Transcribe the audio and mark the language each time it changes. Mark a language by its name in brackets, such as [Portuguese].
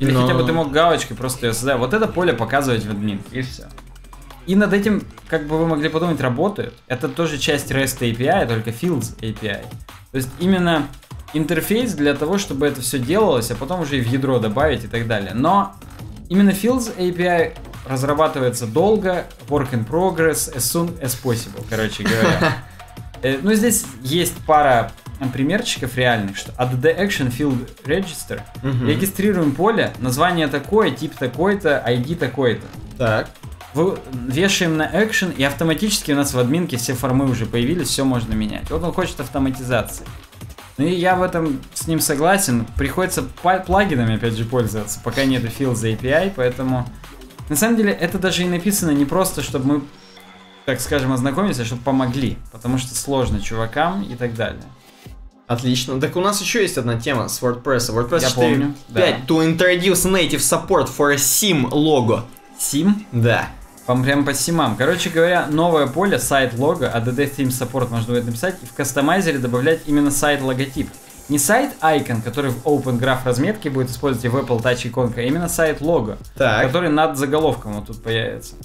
[Russian] Или хотя бы ты мог галочкой просто ее создать. Вот это поле показывать в админке. И все. И над этим, как бы вы могли подумать, работают. Это тоже часть REST API, только Fields API. То есть именно интерфейс для того, чтобы это все делалось, а потом уже и в ядро добавить и так далее. Но именно Fields API разрабатывается долго, [English] work in progress, as soon as possible, [Russian] короче говоря. Ну, здесь есть пара примерчиков реальных, что add action field register, регистрируем поле, название такое, тип такой-то, ID такой-то. Так. Вешаем на action, и автоматически у нас в админке все формы уже появились, все можно менять. Вот он хочет автоматизации. Ну, и я в этом с ним согласен, приходится плагинами, опять же, пользоваться, пока нет fields API, поэтому... На самом деле, это даже и написано не просто, чтобы мы... так скажем, ознакомиться, чтобы помогли, потому что сложно чувакам и так далее. Отлично. Так у нас еще есть одна тема с WordPress. [English] WordPress 4.5 to introduce native support for a sim logo. [Russian] Sim? Да. Вам прямо по симам. Короче говоря, новое поле, сайт-лого, ADD Theme Support можно будет написать, и в кастомайзере добавлять именно сайт-логотип. Не сайт-айкон, который в Open Graph разметке будет использовать и в Apple Touch иконка, а именно сайт-лого, так, который над заголовком вот тут появится.